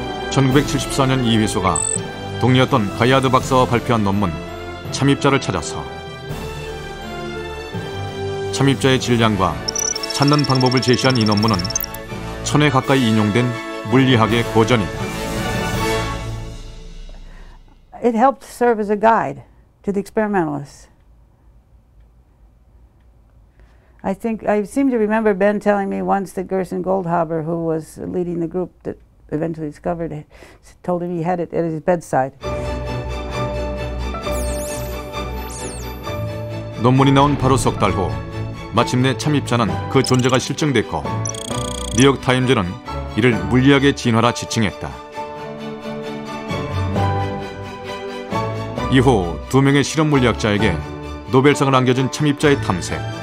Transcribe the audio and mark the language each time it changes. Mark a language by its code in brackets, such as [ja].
[ko] 1974년 이휘소가 동료였던 가이아드 박사와 발표한 논문 참입자를 찾아서 참입자의 질량과 찾는 방법을 제시한 이 논문은 천에 가까이 인용된 물리학의 고전이다. [en] It helped serve as a guide to the experimentalists. I seem to remember Ben telling me once that Gerson Goldhaber, who was leading the group that eventually discovered it, told him he had it at his bedside. [ko] 논문이 나온 바로 석 달 후, 마침내 참입자는 그 존재가 실증됐고, 뉴욕 타임즈는 이를 물리학의 진화라 지칭했다. 이후 두 명의 실험 물리학자에게 노벨상을 안겨준 참입자의 탐색.